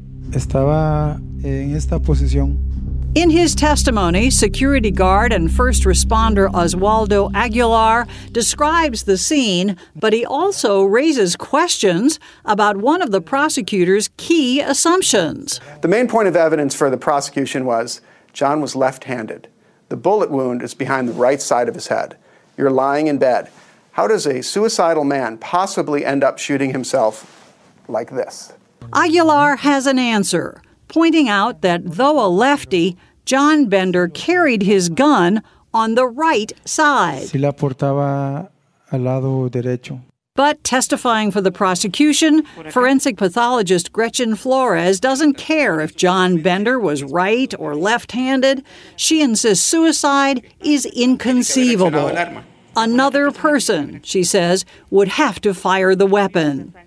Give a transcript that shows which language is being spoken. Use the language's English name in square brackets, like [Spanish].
[Spanish] Estaba en esta posición. [English] In his testimony, security guard and first responder Oswaldo Aguilar describes the scene, but he also raises questions about one of the prosecutor's key assumptions. The main point of evidence for the prosecution was John was left-handed. The bullet wound is behind the right side of his head. You're lying in bed. How does a suicidal man possibly end up shooting himself like this? Aguilar has an answer, pointing out that though a lefty, John Bender carried his gun on the right side. [Spanish] Si la portaba al lado derecho. [English] But testifying for the prosecution, forensic pathologist Gretchen Flores doesn't care if John Bender was right or left-handed. She insists suicide is inconceivable. Another person, she says, would have to fire the weapon.